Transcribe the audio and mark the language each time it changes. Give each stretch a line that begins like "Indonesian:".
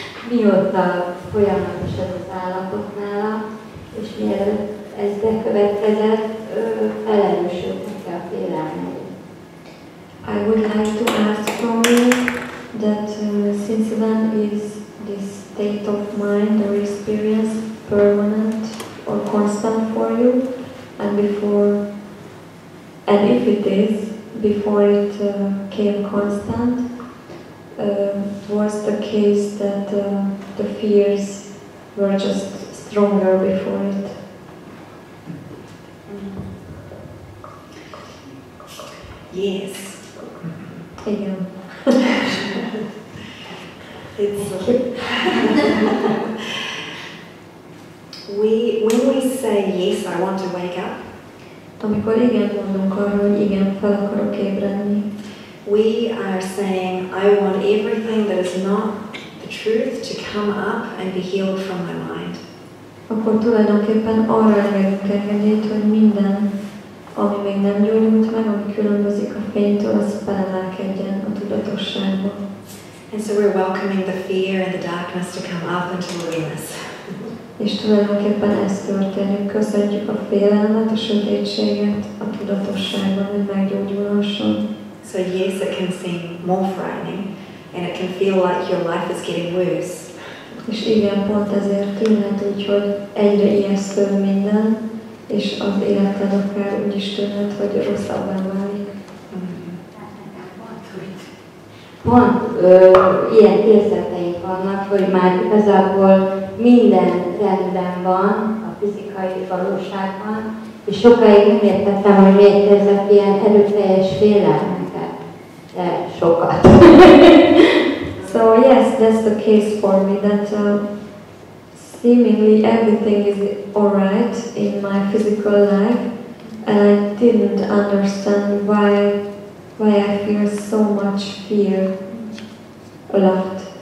Hungarian: mióta folyamatos ez az állapot nála, és mielőtt ez bekövetkezett, felelősödni kell félelmet.
English: I would like to ask from you that since then is this state of mind or experience permanent or constant for you, and before, and if it is, before it came constant, was the case that the fears were just stronger before it? Yes. It's when we say yes, I want to wake up.
Hungarian: Amikor igen mondunk arra, hogy igen, fel akarok ébredni.
English: We are saying I want everything that is not the truth to come up and be healed from my mind.
Hungarian: Akkor tulajdonképpen arra engedünk engedélyt, hogy minden, ami még nem gyógyult meg, ami különbözik a fénytől, az felemelkedjen a tudatosságba.
English: And so we're welcoming the fear and the darkness to come up into awareness.
Hungarian: És tulajdonképpen ez történik, köszönjük a félelmet, a sötétséget a tudatosságban, hogy meggyógyulhasson.
English: So yes, it can seem more frightening, and it can feel like your life is getting worse.
Hungarian: És igen, pont ezért tűnhet úgy, hogy egyre ijesztőbb minden, és az életed akár úgy is tűnhet, hogy rosszabbá válik. Pont ilyen érzeteink vannak, hogy már igazából minden rendben van a fizikai valóságban, és sokáig nem értettem, hogy miért érzek ilyen erőteljes félelmeket. De sokat.
English: So yes, that's the case for me, that seemingly everything is alright in my physical life, and I didn't understand why I feel so much fear a lot.